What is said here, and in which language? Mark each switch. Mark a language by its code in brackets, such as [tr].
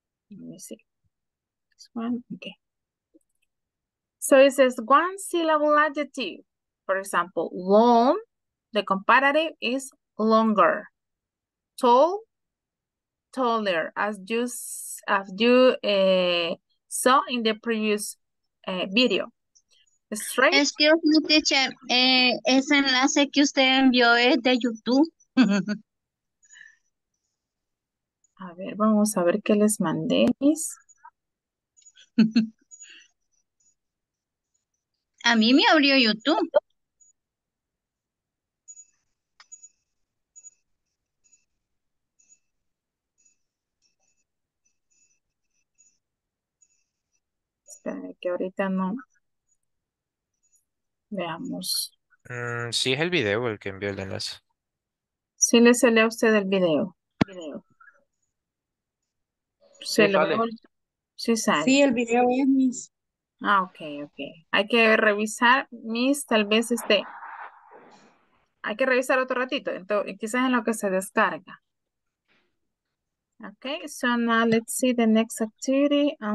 [en] Let me see. This one, okay. So it says one syllable adjective. For example, long, the comparative is longer. Tall, taller, as you saw in the previous video. Straight. Excuse me, teacher. [es] Ese enlace que usted envió es de YouTube. A ver, vamos a ver qué les mandé. A mí me abrió YouTube. Espérame, que ahorita no. Veamos. Sí, es el video el que envió el enlace. Sí, le sale a usted el video. Video. Se sí, lo sí, sale. Sí, el video es Miss. Ah, ok, ok. Hay que revisar, Miss, tal vez esté. Hay que revisar otro ratito, entonces, quizás en lo que se descarga. [en] Ok, so now let's see the next activity.